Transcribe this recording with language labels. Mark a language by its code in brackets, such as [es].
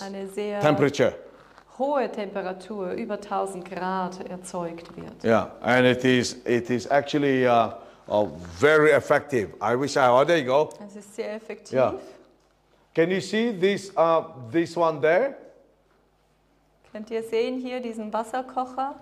[de] eine sehr [en] temperature. [de] Hohe Temperatur, über 1000 Grad erzeugt wird. [en] Yeah, and it is actually very effective. I wish I oh, there you go. [de] Es ist sehr effektiv. Yeah. [en] Can you see this one there? [de] Könnt ihr sehen hier diesen Wasserkocher?